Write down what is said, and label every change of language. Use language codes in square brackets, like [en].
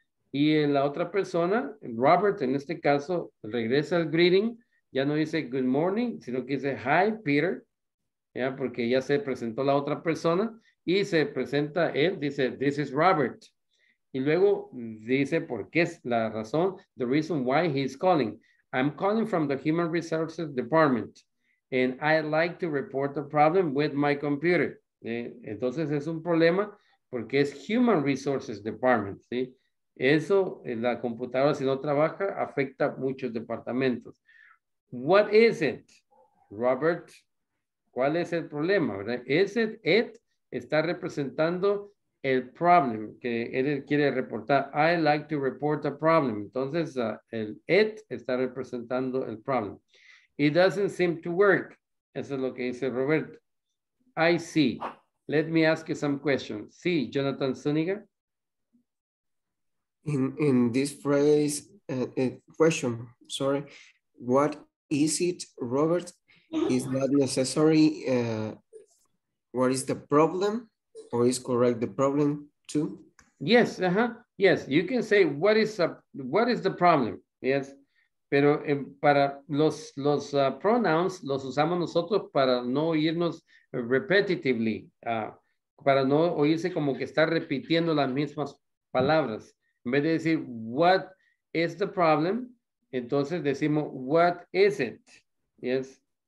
[es] Y en la otra persona, Robert, en este caso, regresa al greeting, ya no dice [en] good morning, [es] sino que dice [en] hi, Peter, [es] ya, porque ya se presentó la otra persona, y se presenta él, dice [en] this is Robert. [es] Y luego dice por qué es la razón, [en] the reason why he's calling. I'm calling from the Human Resources Department, and I'd like to report a problem with my computer. [es] Entonces es un problema porque es Human Resources Department, ¿sí? Eso, la computadora si no trabaja, afecta muchos departamentos. [en] What is it, Robert? [es] ¿Cuál es el problema, verdad? Is it, it está representando el problem que él quiere reportar. [en] I like to report a problem. [es] Entonces, el it está representando el problem. [en] It doesn't seem to work. [es] Eso es lo que dice Robert. [en] I see. Let me ask you some questions. Sí, Jonathan Zuniga. In this phrase, question, sorry, what is it, Robert? Is not necessary. What is the problem? Or is correct the problem too? Yes, yes, you can say what is the problem? [es] Yes, pero para los pronouns los usamos nosotros para no oírnos repetitively, para no oírse como que está repitiendo las mismas palabras. En vez de decir, [en] what is the problem? [es] Entonces decimos, [en] what is it? Yes.